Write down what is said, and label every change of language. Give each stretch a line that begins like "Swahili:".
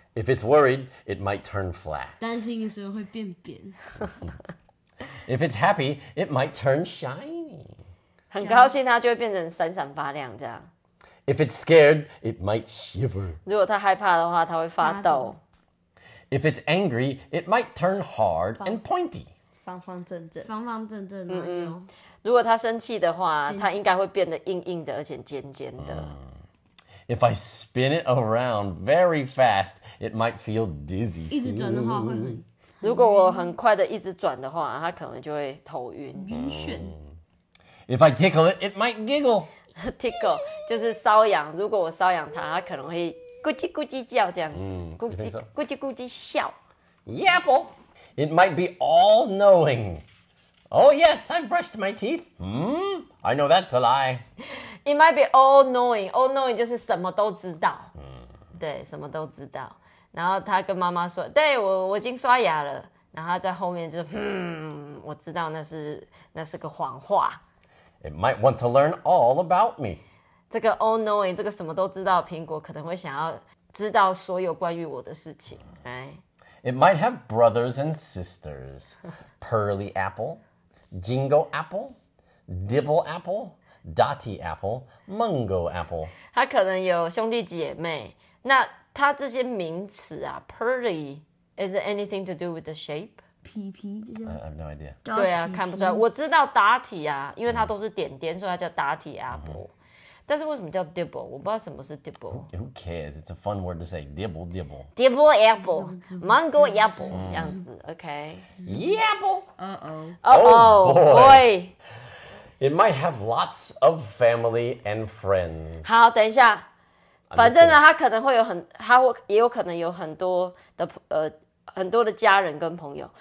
English: If it's worried, it might turn flat.
Chinese: 担心的时候会变扁。
English: If it's happy, it might turn shiny.
Chinese: 很高兴，它就会变成闪闪发亮这样。
English: If it's scared, it might shiver.
Chinese: 如果它害怕的话，它会发抖。
English: If it's angry, it might turn hard and pointy.
Chinese: 方方正正，方方正正的哟、嗯。如果他生气的话，他应该会变得硬硬的，而且尖尖的。
English: If I spin it around very fast, it might feel dizzy.
Chinese: 一直转的话会很。如果我很快的一直转的话，他可能就会头晕。晕眩。
English: If I tickle it, it might giggle.
Chinese: Tickle 就是搔痒。如果我搔痒他，他可能会咕叽咕叽叫这样子，咕叽咕叽笑。
English: Yeah, boy. It might be all-knowing. Oh, yes, I've brushed my teeth. I know that's a lie. It might be all-knowing.
Chinese: All-knowing 就是什么都知道。对，什么都知道。然后他跟妈妈说，对，我已经刷牙了。然后他在后面就，我知道那是个谎话。
English: It might want to learn all about me.
Chinese: 这个 all-knowing, 这个什么都知道的苹果可能会想要知道所有关于我的事情。
English: Right? It might have brothers and sisters. Pearly apple, jingo apple, dibble apple, dotty apple, mungo apple.
Chinese: 他可能有兄弟姐妹。那他这些名词啊
English: ,pearly, is it anything to do with the shape? PP, I have no idea.
Chinese: 对啊看不出来。我知道 dotty 啊因为它都是点点所以它叫 dotty apple. 但是为什么叫 dibble? 我不知道什么是 dibble.
English: Who cares? It's a fun word to say. Dibble, dibble. Dibble apple. Mango apple.
Chinese: 这样子
English: okay. Yapple. Uh-oh. Oh, oh boy. It might have lots of family and friends.
Chinese: 好等一下。反正呢他可能会有很他也有可能有很多的很多的家人跟朋友。